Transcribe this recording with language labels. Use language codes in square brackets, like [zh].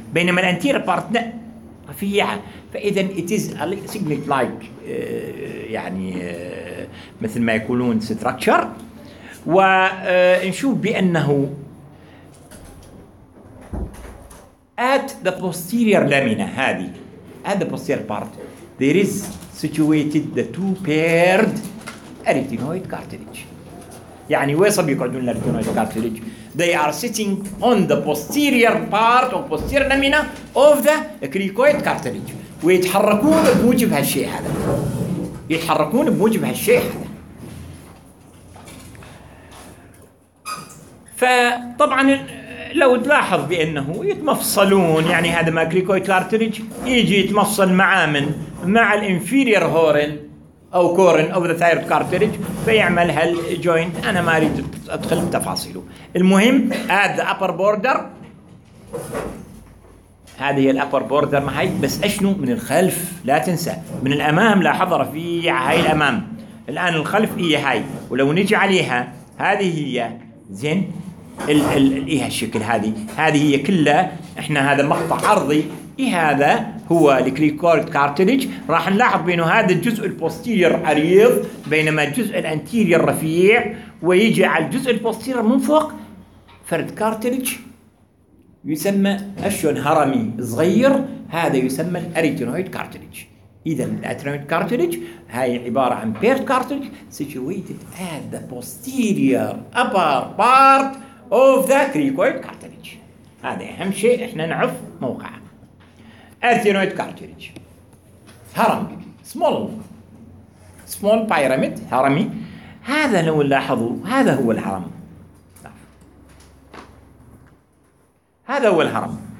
[ar] بينما الانتير بارت لا، رفيعة. [en] فإذا it is a signet like [ar] يعني مثل ما يقولون [en] structure. [ar] ونشوف بأنه [en] at the posterior lamina، هذه at the posterior part there is situated the two paired arytenoid cartilage. [ar] يعني ويصب يقعدون الارتينويد كارتليج، [en] they are sitting on the posterior part of posterior lamina of the cricoid cartilage، [ar] ويتحركون بموجب هالشيء هذا، [en] يتحركون بموجب هالشيء هذا. [ar] فطبعا لو تلاحظ بأنه يتمفصلون، يعني هذا ما cricoid cartilage يجي يتمفصل مع من؟ مع الانفيريور هورن او كورن او ذا ثايرويد كارتريج، فيعمل هالجوينت. انا ما اريد ادخل بتفاصيله، المهم هذا ذا ابر بوردر، هذه هي الابر بوردر معي. بس اشنو من الخلف؟ لا تنسى من الامام، لا حضر في هاي الامام، الان الخلف هي هاي، ولو نجي عليها هذه هي زين إيه الشكل هذه، هذه هي كلها إحنا هذا مقطع عرضي، إيه هذا هو الكريكورد كارتليج. راح نلاحظ بينه هذا الجزء البوستيرير عريض بينما الجزء الأنتيرير رفيع، ويجي على الجزء البوستيرير من فوق فرد كارتليج يسمى أشون هرمي صغير، هذا يسمى الأريتينويد كارتليج. إذا الأريتينويد كارتليج هاي عبارة عن بيرت كارتليج [en] situated at the posterior upper part of the cricoid cartilage. [ar] هذا أهم شيء إحنا نعرف موقعه. أريتينويد كارتليج هرم small pyramid هرمي، هذا لو نلاحظه هذا هو الهرم، هذا هو الهرم.